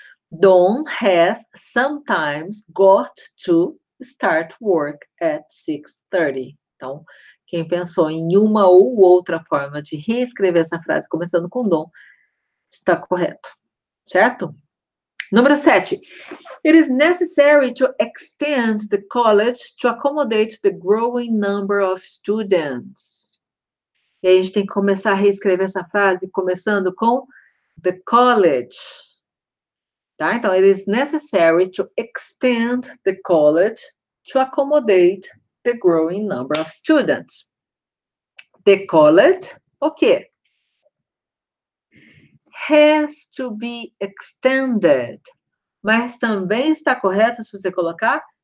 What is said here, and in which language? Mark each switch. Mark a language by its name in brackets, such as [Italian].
[English] Dawn has sometimes got to start work at 6:30. [Portuguese] Então, quem pensou em uma ou outra forma de reescrever essa frase começando com Dawn, está correto. Certo? Número 7. [English] It is necessary to extend the college to accommodate the growing number of students. [Portuguese] E aí a gente tem que começar a reescrever essa frase começando com the college. Tá? Então, [English] it is necessary to extend the college to accommodate the growing number of students. The college, [Portuguese] o quê? [English] Has to be extended. [Portuguese] Mas também está correto se você colocar